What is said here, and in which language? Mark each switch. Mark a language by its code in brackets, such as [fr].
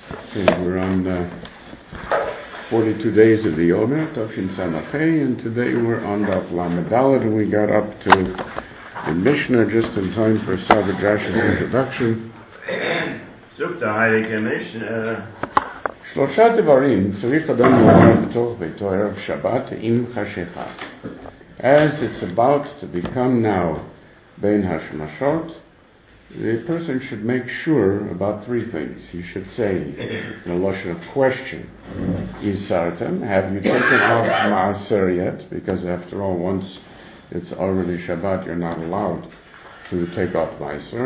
[en] Okay, we're on 42 days of the Yoga, Tafshin Samachay, and today we're on the Lamed Daled. We got up to the Mishnah just in time for Sava Josh's introduction. Sukta Heidegger Mishnah. [he] שלושה דברים צריך אדם לומר בתוך ביתו ערב שבת עם חשיכה. [en] As it's about to become now בין השמשות, the person should make sure about three things. He should say, in a lotion of question, Isartem, have you taken off Maaser yet? Because after all, once it's already Shabbat, you're not allowed to take off Maaser.